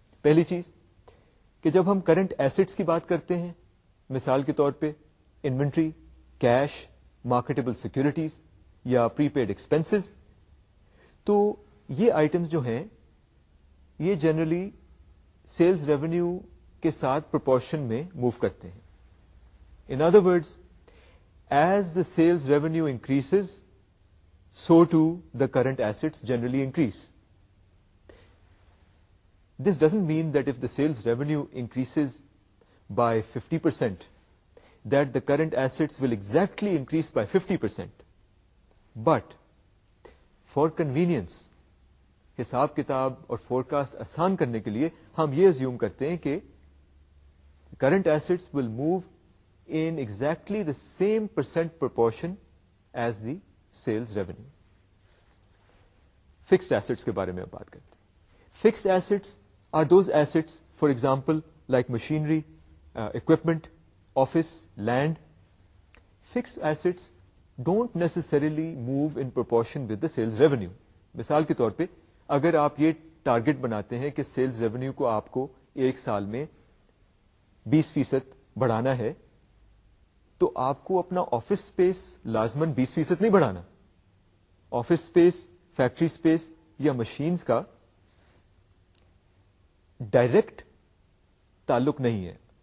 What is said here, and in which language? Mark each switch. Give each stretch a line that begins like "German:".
Urdu: پہلی چیز کہ جب ہم کرنٹ ایسٹس کی بات کرتے ہیں، مثال کے طور پہ انوینٹری، کیش، مارکیٹیبل سیکورٹیز یا پری پیڈ ایکسپنسز، تو یہ آئٹمز جو ہیں یہ جنرلی سیلز ریونیو کے ساتھ پروپورشن میں موو کرتے ہیں.
English: In other words as the sales revenue increase so too the current assets generally increase. This doesn't mean that if the sales revenue increase by 50% that the current assets will exactly increase by 50%. But for convenience,
Urdu: حساب کتاب اور forecast آسان کرنے کے لیے ہم یہ assume کرتے ہیں کہ
English: current assets will move in exactly the same percent proportion as the sales revenue.
Urdu: Fixed assets کے بارے میں بات کرتے ہیں.
English: Fixed assets are those assets, for example, like machinery, equipment, office, land. Fixed assets don't necessarily move in proportion with the sales revenue.
Urdu: مثال کے طور پہ اگر آپ یہ ٹارگیٹ بناتے ہیں کہ سیلز ریونیو کو آپ کو ایک سال میں 20% بڑھانا ہے تو آپ کو اپنا آفس اسپیس لازمن 20% نہیں بڑھانا. آفس اسپیس, فیکٹری اسپیس یا مشینز کا ڈائریکٹ تعلق نہیں ہے.